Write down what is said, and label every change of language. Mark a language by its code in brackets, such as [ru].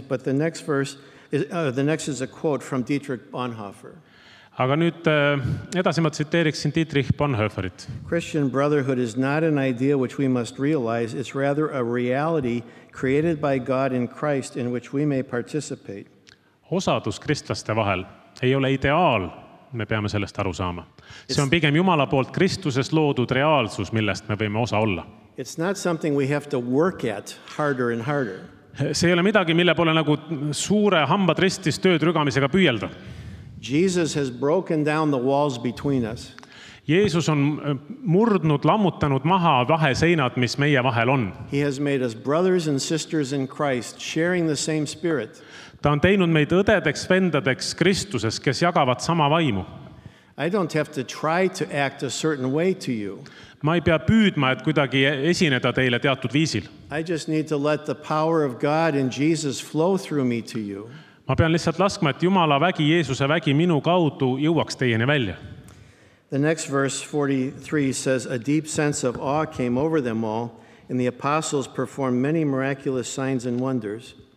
[en] But the next verse, is a quote from Dietrich Bonhoeffer. [et] Aga nüüd edasi ma tsiteeriksin Dietrich Bonhoefferit. [en] Christian brotherhood is not an idea which we must realize. It's rather a reality created by God in Christ in which we may participate. [et] Osadus kristlaste vahel ei ole ideaal. Me peame sellest aru saama. See on pigem Jumala poolt Kristuses loodud reaalsus, millest me võime osa olla. [en] It's not something we have to work at harder and harder. [et] See ei ole midagi, mille pole nagu suure hambad ristis tööd rügamisega püüelda. [en] Jesus has broken down the walls between us. [et] Jeesus on murdnud, lammutanud maha vahe seinad, mis meie vahel on. [en] He has made us brothers and sisters in Christ, sharing the same spirit. [et] Ta on teinud meid õdedeks, vendadeks Kristuses, kes jagavad sama vaimu. [en] I don't have to try to act a certain way to you. [et] Ma ei pea püüdma, et kuidagi esineda teile teatud viisil. [en] I just need to let the power of God and Jesus flow through me to you. [et] Ma pean lihtsalt laskma, et Jumala vägi, Jeesuse vägi minu kaudu jõuaks teieni välja. [en] The next verse 43 says, a deep sense of awe came over them all, and the apostles performed many miraculous signs and wonders.